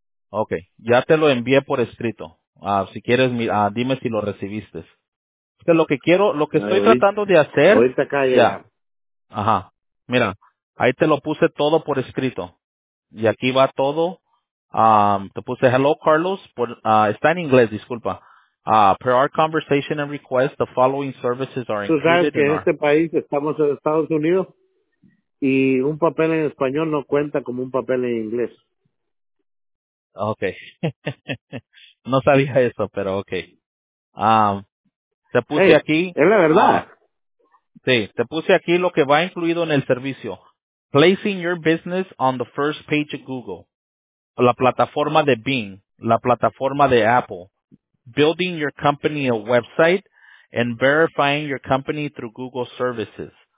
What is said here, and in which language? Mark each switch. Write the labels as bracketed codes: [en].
[es] Okay, ya te lo envié por escrito. Si quieres, dime si lo recibiste. Que lo que quiero, lo que estoy tratando de hacer. Ahorita cae ya. Ajá. Mira, ahí te lo puse todo por escrito. Y aquí va todo. Te puse [en] hello [es] Carlos, está en inglés, disculpa. [en] Per our conversation and request, the following services are included. [es] Tú sabes que en este país estamos en Estados Unidos y un papel en español no cuenta como un papel en inglés. Okay. No sabía eso, pero okay. Te puse aquí. Es la verdad. Sí, te puse aquí lo que va incluido en el servicio. [en] Placing your business on the first page of Google. [es] La plataforma de Bing. La plataforma de Apple. [en] Building your company a website and verifying your company through Google services.